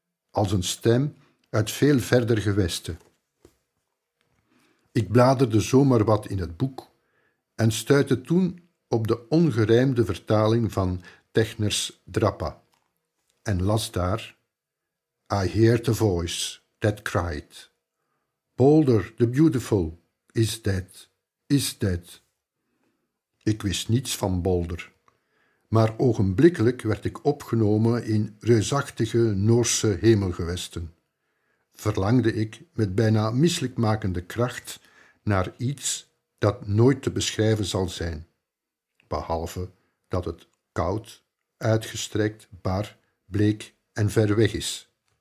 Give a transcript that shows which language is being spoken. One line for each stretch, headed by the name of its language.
Dutch: Als een stem uit veel verder gewesten. Ik bladerde zomaar wat in het boek en stuitte toen op de ongerijmde vertaling van Techners Drappa en las daar
English: I hear the voice that cried. Balder, the beautiful, is dead, is dead.
Dutch: Ik wist niets van Balder, maar ogenblikkelijk werd ik opgenomen in reusachtige Noorse hemelgewesten. Verlangde ik met bijna misselijkmakende kracht naar iets dat nooit te beschrijven zal zijn, behalve dat het koud, uitgestrekt, bar, bleek en ver weg is.